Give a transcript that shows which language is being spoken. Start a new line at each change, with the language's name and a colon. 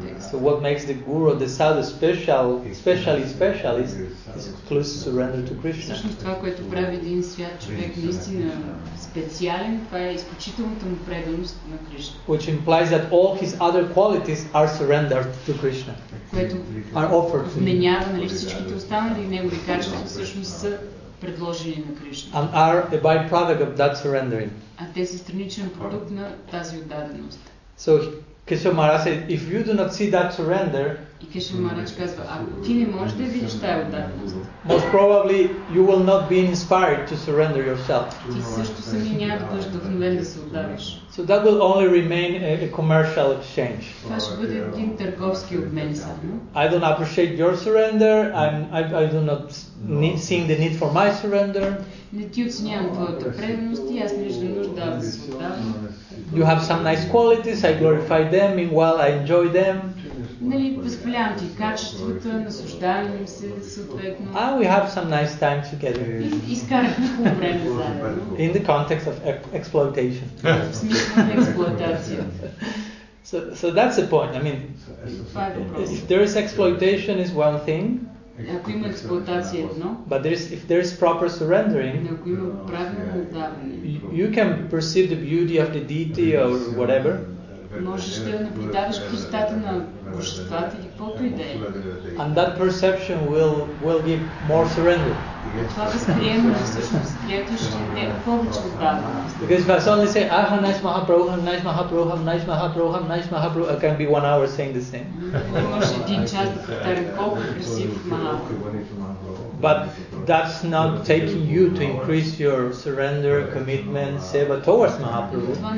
English: So what makes the guru or the sadhu special, especially special, is his exclusive surrender to Krishna.
Bulgarian: Което прави един свят човек наистина специален, това е изключителната му преданост на Кришна.
English: Which implies that all his other qualities are surrendered to Krishna.
Bulgarian: Което
English: are offered to
Bulgarian: вменява, нали, всичките останали негови качества всъщност са предложени на Кришна.
English: And are a byproduct of that surrendering.
Bulgarian: А те са страничен продукт на тази отдаденост.
English: So Кешо Махарадж said, if you do not see that surrender,
Bulgarian: и Кешо Махарадж казва, ако ти не можеш да видиш тая отдаденост,
English: most probably you will not be inspired to surrender yourself.
Bulgarian: Ти също сами няма да бъдеш вдъхновен да се отдадеш.
English: So that will only remain a commercial exchange.
Bulgarian: Това ще бъде един търговски обмен само.
English: I don't appreciate your surrender. I do not need, seeing the need for my surrender.
Bulgarian: Не ти оценявам твоята преданост и аз не виждам нужда да се отдавам.
English: You have some nice qualities, I glorify them, meanwhile I enjoy them.
Bulgarian: Нали, позволявам ти качествата, наслаждавам им се съответно.
English: Ah, we have some nice time together.
Bulgarian: Изкарахме хубаво време заедно.
English: In the context of exploitation.
Bulgarian: В смисъл на експлоатация.
English: So that's the point. I mean, if there is exploitation is one thing.
Bulgarian: Ако има експлоатация едно.
English: But if there is proper surrendering,
Bulgarian: ако има правилно отдаване,
English: you can perceive the beauty of the deity or whatever.
Bulgarian: Можеш да наблюдаваш красотата на божествата или каквото и да е.
English: And that perception will give more surrender.
Bulgarian: Това възприемане всъщност прието ще даде повече отдаване.
English: Because if I suddenly say, I have nice Mahaprabhu, I'm nice Mahaprabhu, I'm nice Mahaprabhu, I'm nice Mahaprabhu, I can be 1 hour saying the same.
Bulgarian: Можеш един час да повтаря колко красив Mahaprabhu.
English: But that's not taking you to increase your surrender, commitment, seva towards Mahaprabhu.